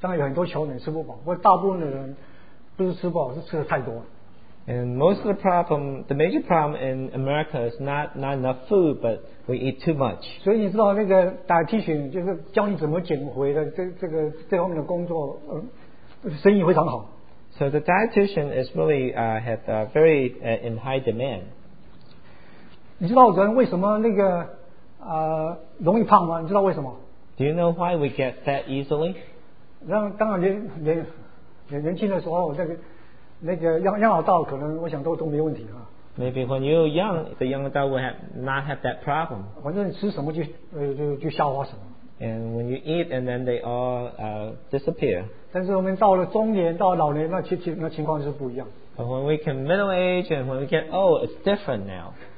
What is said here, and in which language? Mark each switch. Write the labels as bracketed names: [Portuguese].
[Chinese] 你知道我想今天的美国问题不是当然有很多穷人吃不饱，不过大部分的人 不是吃饱，是吃的太多。 [English] And most of the problem, the major problem in America is not enough food, but we eat too much. [Chinese] 所以你知道那个dietitian就是教你怎么减肥的这方面的工作，生意非常好。 [English] So the dietitian is really had a very in high demand. [Chinese] 你知道人为什么那个容易胖吗？你知道为什么？ [English] Do you know why we get fat easily? [Chinese] 当然年轻的时候那个。那个养老道可能我想都没问题啊。 [English] Maybe when you're young, the young adult will not have that problem. [Chinese] 反正你吃什么就消化什么。 [English] And when you eat, and then they all disappear. [Chinese] 但是我们到了中年到老年，那情况是不一样。 [English] But when we come middle age and when we get old, it's different now.